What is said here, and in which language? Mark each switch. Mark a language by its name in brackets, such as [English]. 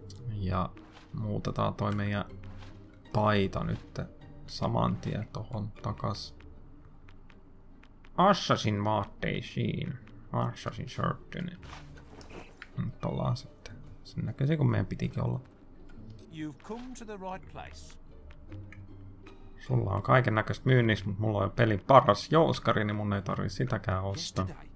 [Finnish] Ja muutetaan toi meidän paita nyt saman tien tohon takas. Assassin vaatteisiin. Assassin shirtini. Nyt ollaan sitten sen näköisiä kuin meidän pitikin olla. [English] You've come to the right place. [Finnish] Sulla on kaiken näköistä myynnissä, mutta mulla on jo pelin paras jouskari, niin mun ei tarvi sitäkään ostaa.